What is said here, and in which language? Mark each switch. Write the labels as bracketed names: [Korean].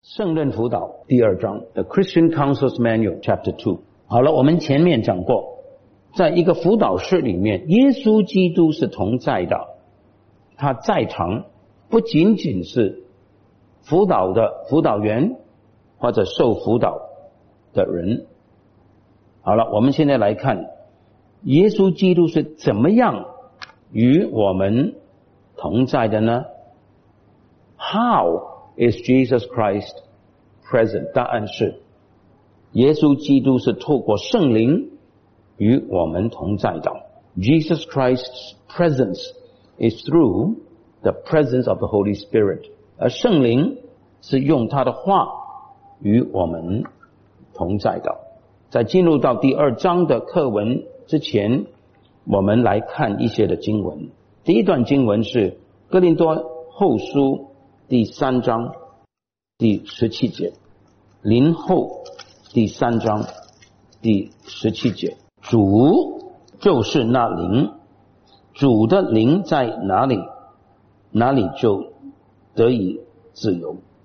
[Chinese] 圣任辅导第二章 [English] The Christian Counsel's Manual Chapter 2。 [Chinese] 好了，我们前面讲过，在一个辅导室里面，耶稣基督是同在的，他在场不仅仅是辅导的辅导员或者受辅导的人。好了，我们现在来看耶稣基督是怎么样与我们同在的呢？ [English] How is Jesus Christ present? [Chinese] 答案是耶稣基督是透过圣灵与我们同在的。 [English] Jesus Christ's presence is through the presence of the Holy Spirit. [Chinese] 而圣灵是用他的话与我们同在的。在进入到第二章的课文之前，我们来看一些的经文。第一段经文是哥林多后书第三章第十七节，林后第三章第十七节，主就是那灵，主的灵在哪里，哪里就得以自由。